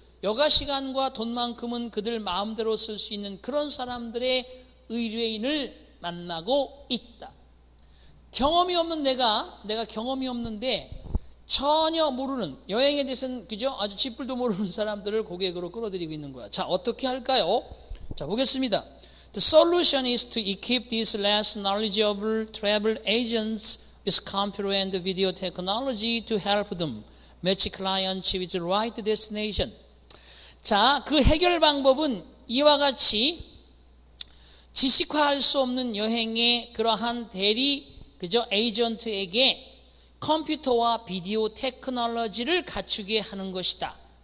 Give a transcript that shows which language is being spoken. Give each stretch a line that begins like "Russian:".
Korean: 여가 시간과 돈만큼은 그들 마음대로 쓸 수 있는 그런 사람들의 의뢰인을 만나고 있다. 경험이 없는 내가 경험이 없는데 전혀 모르는 여행에 대해서는 그죠? 아주 짓불도 모르는 사람들을 고객으로 끌어들이고 있는 거야. 자, 어떻게 할까요? 자, 보겠습니다.
English: The solution is to equip these less knowledgeable travel agents with computer and video technology to help them match clients with the right destination.
Korean: 자, 그 해결 방법은 이와 같이 지식화할 수 없는 여행의 그러한 대리, 그죠? 에이전트에게 컴퓨터와 비디오 테크놀로지를 갖추게 하는 것이다.